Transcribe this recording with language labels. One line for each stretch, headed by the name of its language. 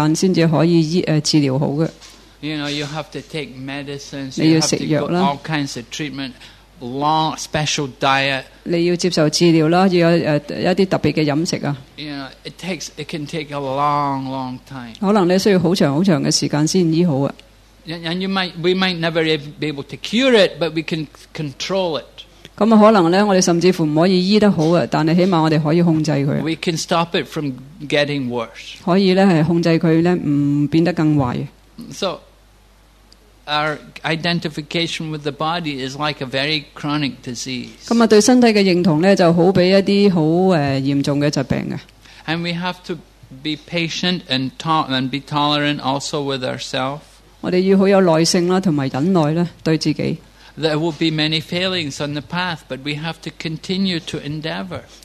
Chinese: 如果你有一些很嚴重的疾病,是需要一些時間才可以治療好的。
English: You know, you have to take medicines, you have to go all kinds of treatment, long, special diet.
Chinese: 你要接受治療,要有一些特別的飲食。
English: It can take a long, long time.
Chinese: 可能你需要很長很長的時間才醫好。
English: And we might never be able to cure it, but we can control it.
Chinese: 可能我們甚至不可以醫得好,但起碼我們可以控制它。
English: We can stop it from getting worse.
Chinese: 可以控制它不變得更壞。
English: So, our identification with the body is like a very chronic disease.
Chinese: 對身體的認同就好比一些很嚴重的疾病。
English: And we have to be patient and be tolerant also with ourselves.
Chinese: 我們要很有耐性和忍耐對自己。
English: There will be many failings on the path, but we have to continue to endeavor.